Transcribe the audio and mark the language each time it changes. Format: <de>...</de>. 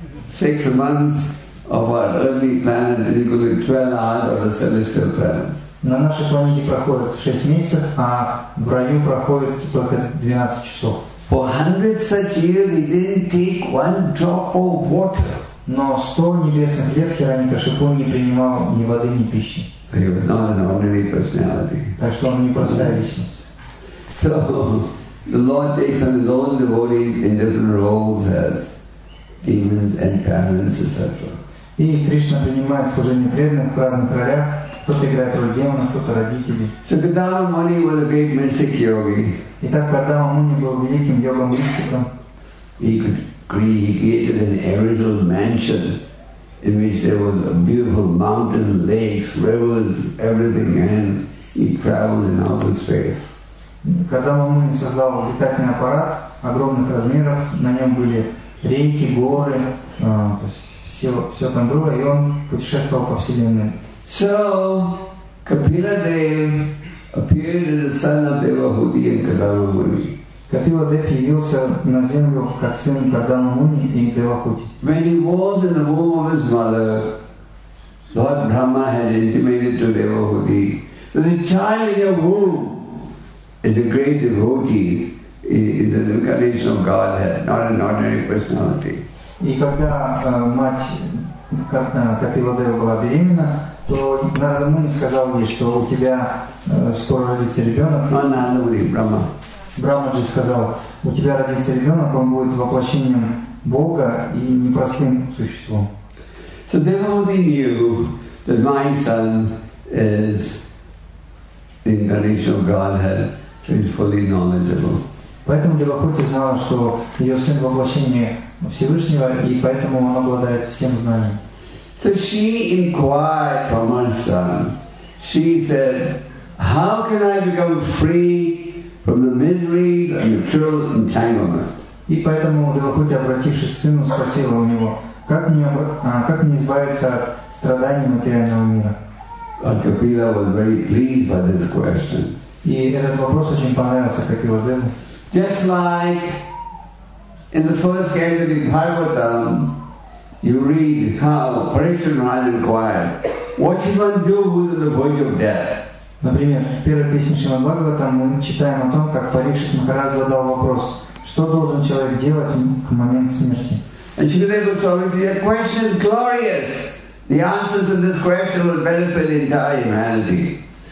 <en>Six months of our earthly planet is equal to 12 hours of the celestial planet.</en> <ru>На нашей планете проходит 6 месяцев, а в раю проходит только 12 часов.</ru> <en>For 100 such years, he didn't take one drop of water.</en> <ru>Но 100 небесных лет Hiranyakashipu не принимал ни воды, ни пищи.</ru> <en>He was not an ordinary personality.</en> <ru>Так что он не простая личность.</ru> <en>So the Lord takes on his own devotees in different roles as demons and parents, etc.</en> <ru>И Кришна принимает служение преданных в разных ролях. Кто-то играет роль демона, кто-то родители.</ru> <en>So Kardama Muni was a great mystic yogi.</en> <ru>Итак, Кардама Муни был великим йогом-мистиком.</ru> <en>He created an aerial mansion in which there was a beautiful mountain, lakes, rivers, everything, and He traveled in all of space.</en> <ru>Когда на Луне создал летательный аппарат огромных размеров, на нем были реки, горы, то есть все там было, и он путешествовал по Вселенной.</ru> <en>So, Kapila Dev appeared as the son of Devahuti and Kadama Muni.</en> <ru>Kapila Dev явился на землю как сын Кардама Муни и Девахути.</ru> <en>When he was in the womb of his mother, Lord Brahma had intimated to Devahuti that the child in your womb is a great devotee, is an incarnation of Godhead, not an ordinary personality.</en> <ru>И когда мать Kapila Dev была беременна, то Нарада Муни сказал ей, что у тебя скоро родится ребенок. Ананда Муни, Брахма. Брахма же сказал, у тебя родится ребенок, он будет воплощением Бога и непростым существом.</ru> <en>So Devahuti knew that my son is the incarnation of Godhead, so he's fully knowledgeable.</en> <ru>Поэтому Девахути знал, что ее сын воплощение Всевышнего, и поэтому он обладает всем знанием.</ru> <en>So she inquired from her son. She said, "How can I become free from the miseries of material entanglement?"</en> <ru>И поэтому Девахути, обратившись к сыну, спросила у него, как мне избавиться от страданий материального мира?</ru> <en>And Kapila was very pleased by this question.</en> <ru>И этот вопрос очень понравился Капила Деву.</ru> <en>Just like in the first case of the Bhagavatam. You read how Parikshit Maharaj inquired, "What should one do who is on the verge of death?"</en> <ru>Например, в первой песне Шримад Бхагаватам мы читаем о том, как Парикшит Махарадж задал вопрос, что должен человек делать к моменту смерти.</ru> <en>And Shrimad Bhagavatam said, "Your question is glorious. The answers to this question will benefit the entire humanity."</en>